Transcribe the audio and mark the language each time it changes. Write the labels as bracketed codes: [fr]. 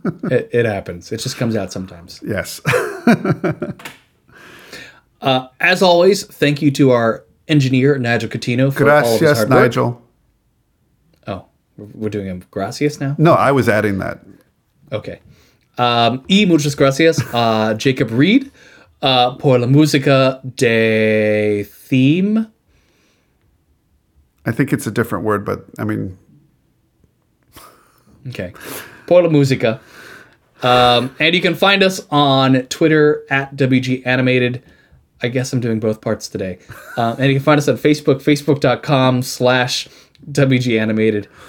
[en] It happens. It just comes out sometimes. Yes. As always, thank you to our engineer, Nigel Catino, for all of his hard work. Gracias, Nigel. Oh, we're doing a gracias now? No, I was adding that. Okay. [es] Y muchas gracias, Jacob Reed, por la música de theme. [en] I think it's a different word, but I mean... [es] Okay. Por la música. [en] And you can find us on Twitter at WG Animated. I guess I'm doing both parts today. And you can find us on Facebook, facebook.com/WGAnimated.